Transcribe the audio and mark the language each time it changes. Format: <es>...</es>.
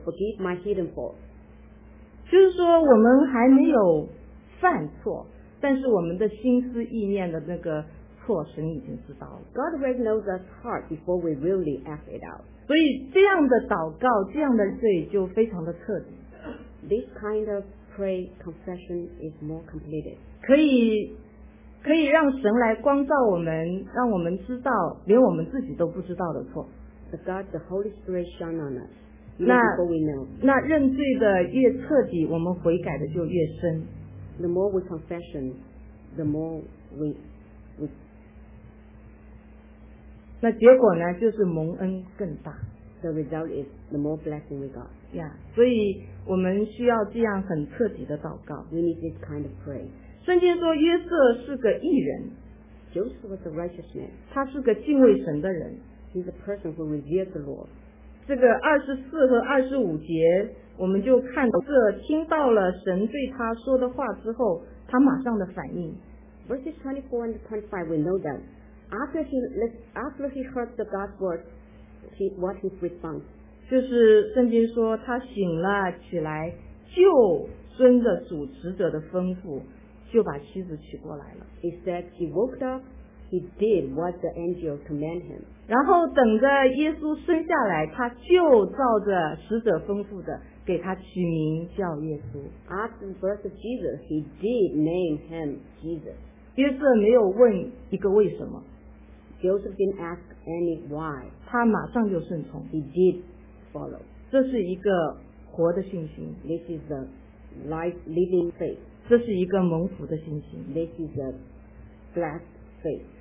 <en>Forgive my hidden fault.</en> <zh>就是说我们还没有犯错，但是我们的心思意念的那个错神已经知道了。</zh> <en>God already knows our heart before we really act it out.</en> <zh>所以这样的祷告，这样的罪就非常的彻底。</zh> <en>This kind of prayer confession is more completed.</en> <zh>可以让神来光照我们，让我们知道连我们自己都不知道的错。</zh> <en>God, the Holy Spirit shone on us.</en> <zh>那认罪的越彻底，我们悔改的就越深。</zh> <en>The more we confession, the more we.</en> <zh>那结果呢，就是蒙恩更大。</zh> <en>The result is the more blessing we got.</en> <zh>Yeah, 所以我们需要这样很彻底的祷告。</zh> <en>We need this kind of prayer.</en> <zh>圣经说约瑟是个义人。</zh> <en>Joseph was a righteous man.</en> <zh>他是个敬畏神的人。</zh> <en>He's a person who reveres the Lord.</en> <zh>这个24和25节我们就看到这听到了神对他说的话之后他马上的反应。</zh> <en>Verses 24 and 25 we know that. After he heard the God's word, what his response?</en> <zh>就是圣经说他醒了起来就遵着主使者的吩咐就把妻子娶过来了。</zh> <en>He said he woke up. He did what the angel commanded him.</en> <zh>然后等着耶稣生下来，他就照着使者吩咐的给他取名叫耶稣。</zh> <en>After the birth of Jesus, he did name him Jesus.</en> <zh>约瑟没有问一个为什么。</zh> <en>Joseph didn't ask any why.</en> <zh>他马上就顺从。</zh> <en>He did follow.</en> <zh>这是一个活的信心。</zh> <en>This is a life living faith.</en> <zh>这是一个蒙福的信心。</zh> <en>This is a blessed.</en>